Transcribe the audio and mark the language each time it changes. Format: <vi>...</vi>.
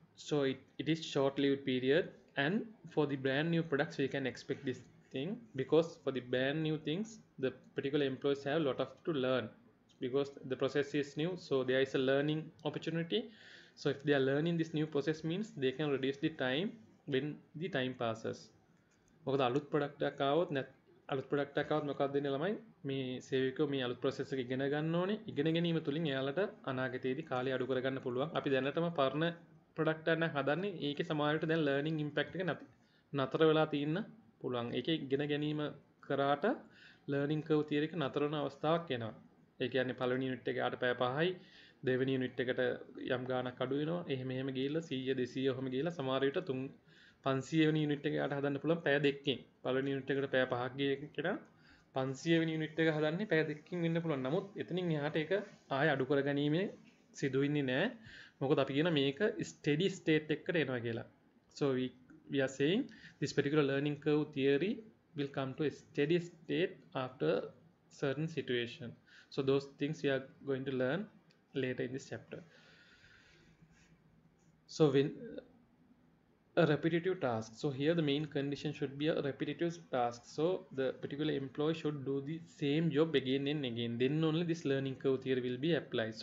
<en>So it is short-lived period, and for the brand new products we can expect this thing, because for the brand new things the particular employees have a lot of to learn, because the process is new, so there is a learning opportunity. So if they are learning this new process, means they can reduce the time when the time passes.</en> <si>මොකද අලුත් product එකක් ආවොත් අලුත් product එකක් ආවොත් මොකක්ද වෙන්නේ ළමයි මේ සේවකයෝ මේ අලුත් process එක ඉගෙන ගන්න ඕනේ. ඉගෙන ගැනීම තුලින් එයාලට අනාගතයේදී කාලය අඩු කරගන්න පුළුවන්. අපි දැනටම පරණ product එකක් නම් හදන්නේ ඒකේ සමානට දැන් learning impact එක නතර වෙලා තියෙන්න පුළුවන්. ඒකේ ඉගෙන ගැනීම කරාට learning curve theory එක නතර වෙන අවස්ථාවක් එනවා. ඒ කියන්නේ පළවෙනි unit එක ආට පැය 5යි දෙවෙනි unit එකට යම් ගාණක් අඩු වෙනවා. එහෙම එහෙම ගිහිල්ලා 100 200 ඔහොම ගිහිල්ලා සමහර විට 500 වෙනි unit එක යාට හදන්න පුළුවන් පැය දෙකකින්. පළවෙනි unit එකට පැය 5ක් ගිය එකට 500 වෙනි unit එක හදන්නේ පැය දෙකකින් වෙන්න පුළුවන්. නමුත් එතනින් එහාට ඒක ආයෙ අඩු කරගැනීමේ සිදු වෙන්නේ නැහැ. මොකද අපි කියන මේක steady state එකට එනවා කියලා.</si> <en>So we are saying this particular learning curve theory will come to a steady state after certain situation. So those things we are going to learn later in this chapter. So when a repetitive task, so here the main condition should be a repetitive task, so the particular employee should do the same job again and again, then only this learning curve theory will be applied.</en>